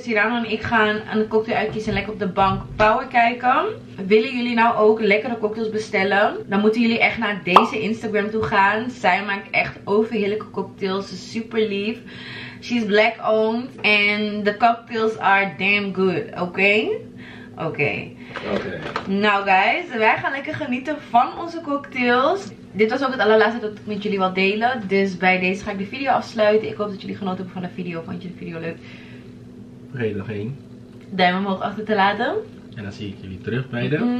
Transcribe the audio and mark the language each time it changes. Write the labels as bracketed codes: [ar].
[nl] Siraan en ik gaan een cocktail uitkiezen en lekker op de bank power kijken. Willen jullie nou ook lekkere cocktails bestellen? Dan moeten jullie echt naar deze Instagram toe gaan. Zij maakt echt overheerlijke cocktails. Super lief. [en] She's black owned and the cocktails are damn good, okay? Okay. Okay. [nl] Nou guys, wij gaan lekker genieten van onze cocktails. Dit was ook het allerlaatste dat ik met jullie wil delen. Dus bij deze ga ik de video afsluiten. Ik hoop dat jullie genoten hebben van de video. Vond je de video leuk? Vergeet nog één. Duim omhoog achter te laten. En dan zie ik jullie terug bij de...